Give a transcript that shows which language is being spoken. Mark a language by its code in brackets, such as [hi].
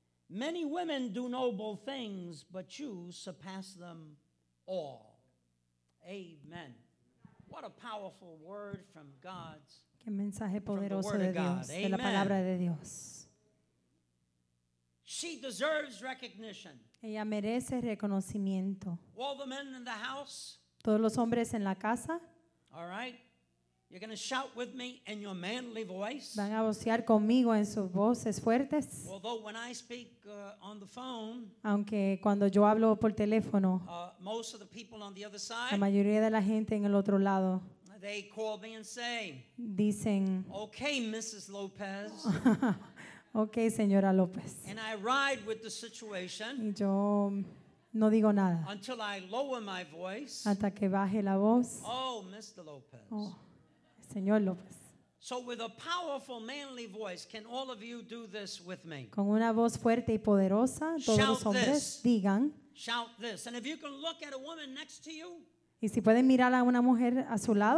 [en] Many women do noble things, but you surpass them all. Amen. What a powerful word from God's. [es] Qué mensaje poderoso de Dios, de la palabra de Dios. [en] She deserves recognition. [es] Ella merece reconocimiento. [en] All the men in the house. [es] Todos los hombres en la casa. [en] All right. You're going to shout with me in your manly voice. [es] Van a vocear conmigo en sus voces fuertes. [en] Although when I speak on the phone, [es] aunque cuando yo hablo por teléfono, [en] most of the people on the other side, [es] la mayoría de la gente en el otro lado, [en] they call me and say, [es] dicen, [en] okay, Mrs. Lopez. [es] Okay, señora López. [en] And I ride with the situation. [es] Y yo no digo nada. [en] Until I lower my voice. [es] Hasta que baje la voz. [en] Oh, Mr. Lopez. [es] Oh, señor López. [en] So with a powerful, manly voice, can all of you do this with me? [es] Con una voz fuerte y poderosa, todos [en] shout [es] los hombres [en] this. [es] Digan. [en] Shout this. And if you can look at a woman next to you. [es] Y si pueden mirar a una mujer a su lado,